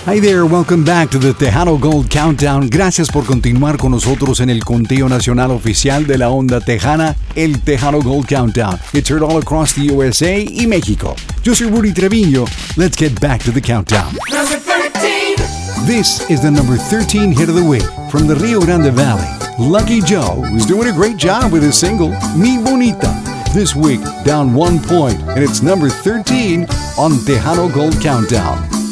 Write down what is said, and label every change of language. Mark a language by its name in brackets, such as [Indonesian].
[English] Hi there, welcome back to the Tejano Gold Countdown. [Spanish] Gracias por continuar con nosotros en el conteo nacional oficial de la onda tejana, el Tejano Gold Countdown. [English] It's heard all across the USA [Spanish] y México. Yo soy Rudy Treviño. [English] Let's get back to the countdown. Number 13. This is the number 13 hit of the week from the Rio Grande Valley. Lucky Joe is doing a great job with his single, Mi Bonita. This week, down one point, and it's number 13 on Tejano Gold Countdown.